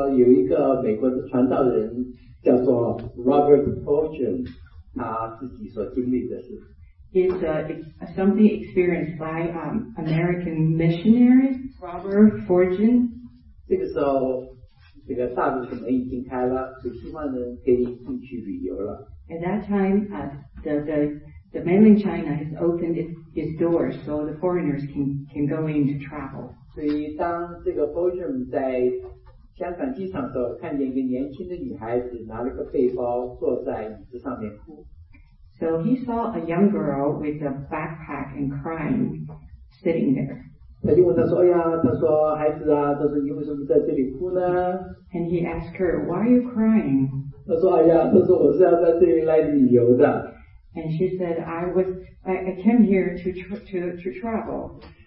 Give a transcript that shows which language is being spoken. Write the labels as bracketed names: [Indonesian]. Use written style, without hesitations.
[Chinese] 那个时候还是启德机场，新的机场还没有开好。在那个机场，你说发生什么样事情呢？就是说有一个美国的传道人叫做 Robert Fulton， 他自己所经历的事。 [English] It's something experienced by American missionary Robert Fulton. [Chinese] 这个时候，这个大陆可能已经开了，所以西方人可以进去旅游了。 [English] At that time, the mainland China has opened its doors so the foreigners can go in to travel. [Chinese] 所以当这个Fulton在香港机场的时候，看见一个年轻的女孩子拿了个背包坐在椅子上面哭。 [English] So he saw a young girl with a backpack and crying sitting there. [Chinese] 他就问他说：“哎呀，他说孩子啊，他说你为什么在这里哭呢？” [English] And he asked her, "Why are you crying?" [Chinese] 他说：“哎呀，他说我是要在这里来旅游的。” [English] And she said, I came here to travel.